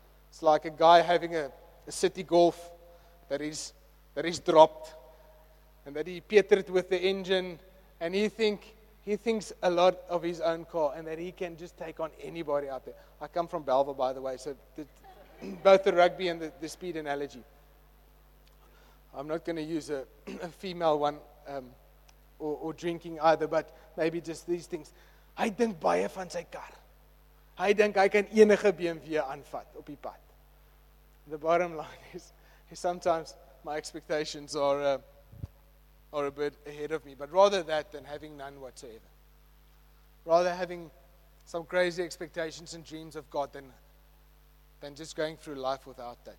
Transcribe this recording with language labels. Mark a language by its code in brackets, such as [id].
[en] It's like a guy having a city golf that is dropped and that he petered with the engine, and he thinks a lot of his own car and that he can just take on anybody out there. I come from Belva, by the way, so both the rugby and the speed analogy. I'm not going to use a female one or drinking either, but maybe just these things. [af] Hy dink baie van sy kar. Hy dink hy kan enige BMW aanvat op die pad. [en] The bottom line is sometimes my expectations are a bit ahead of me, but rather that than having none whatsoever. Rather having some crazy expectations and dreams of God than just going through life without that.